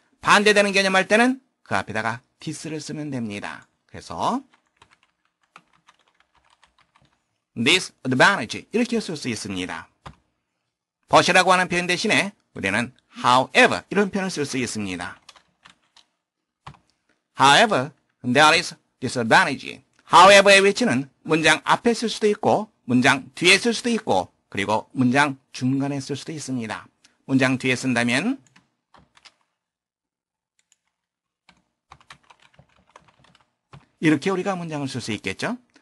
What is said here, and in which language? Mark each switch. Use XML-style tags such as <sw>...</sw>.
<ko>반대되는 개념할 때는 그 앞에다가 this를 쓰면 됩니다. 그래서 disadvantage 이렇게 쓸 수 있습니다. but이라고 하는 표현 대신에 우리는 however 이런 표현을 쓸 수 있습니다.</ko> <en>However, there is disadvantage.</en> <ko>However의 위치는 문장 앞에 쓸 수도 있고 문장 뒤에 쓸 수도 있고 그리고 문장 중간에 쓸 수도 있습니다. 문장 뒤에 쓴다면 이렇게 우리가 문장을 쓸 수 있겠죠.</ko>